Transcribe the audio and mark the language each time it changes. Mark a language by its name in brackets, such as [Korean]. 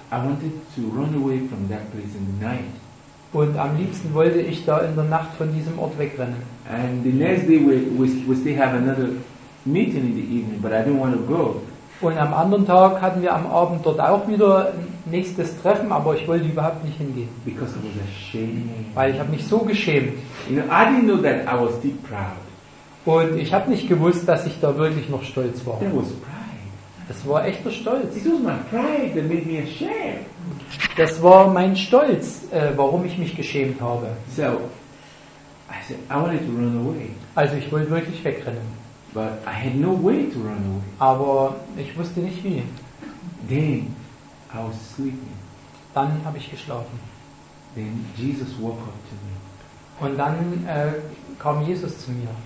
[English] I wanted to run away from that place in the night. [German] Und am liebsten wollte ich da in der Nacht von diesem Ort wegrennen. [English] And the next day we still have another meeting in the evening, but I didn't want to go. [German] Und am anderen Tag hatten wir am Abend dort auch wieder ein nächstes Treffen, aber ich wollte überhaupt nicht hingehen. [English] Because I was ashamed. [German] Weil ich habe mich so geschämt. [English] You know, I didn't know that I was deep proud. [German] Und ich habe nicht gewusst, dass ich da wirklich noch stolz war. [English] That was pride. [German] Das war echter Stolz. [English] It was my pride that made me ashamed. [German] Das war mein Stolz, warum ich mich geschämt habe. [English] So, I said, I wanted to run away. [German] Also ich wollte wirklich wegrennen. [English] But I had no way to run away. [German] Aber ich wusste nicht wie. [English] Then I was sleeping. [German] Dann habe ich geschlafen. [English] Then Jesus woke up to me. [German] Und dann kam Jesus zu mir.